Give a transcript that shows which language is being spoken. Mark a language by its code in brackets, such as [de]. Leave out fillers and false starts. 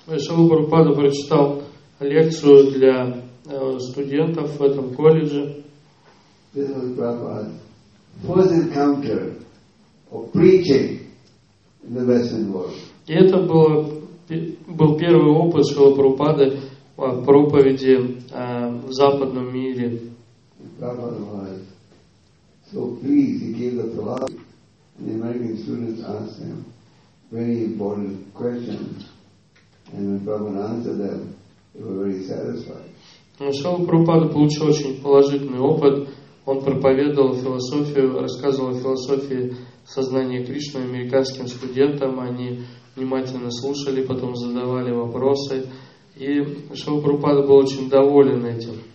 [ru] Шрила Прабхупада прочитал лекцию для студентов в этом колледже. [en] This was Prabhupada's first encounter of preaching in the Western world. [ru] И это был первый опыт Шрилы Прабхупады в проповеди в западном мире. [en] Prabhupada was so pleased. He gave the philosophy, and the American students asked him very important questions. And when Prabhupada answered them, they were very satisfied. [ru] Шрила Прабхупада получил очень положительный опыт. Он проповедовал философию, рассказывал о философии сознания Кришны американским студентам. Они внимательно слушали, потом задавали вопросы. И Шрила Прабхупада был очень доволен этим.